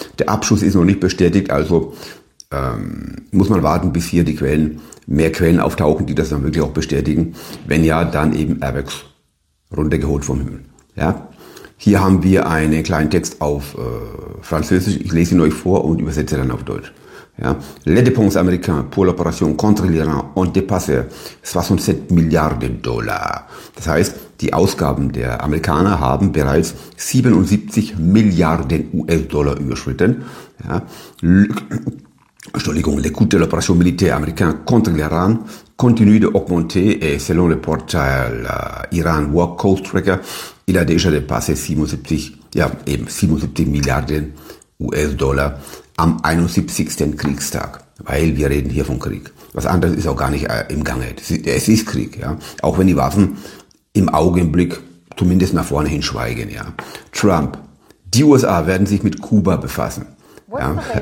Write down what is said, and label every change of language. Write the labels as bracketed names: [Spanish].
[German] Der Abschuss ist noch nicht bestätigt, also muss man warten, bis hier die Quellen, mehr Quellen auftauchen, die das dann wirklich auch bestätigen. Wenn ja, dann eben Airbags runtergeholt vom Himmel. Ja? Hier haben wir einen kleinen Text auf Französisch. Ich lese ihn euch vor und übersetze dann auf Deutsch. Ja. [French] Les dépenses américaines pour l'opération contre l'Iran ont dépassé 67 [German] Milliarden Dollar. Das heißt, die Ausgaben der Amerikaner haben bereits 77 Milliarden US-Dollar überschritten. Ja. Entschuldigung, [French] les coûts de l'opération militaire américaine contre l'Iran continuent de augmenter et selon le portail Iran War Cost Tracker, il a déjà dépassé 77 [German] Milliarden US-Dollar am 71. Kriegstag, weil wir reden hier von Krieg. Was anderes ist auch gar nicht im Gange. Es ist Krieg, ja. Auch wenn die Waffen im Augenblick zumindest nach vorne hin schweigen, ja. Trump, die USA werden sich mit Kuba befassen. Ja.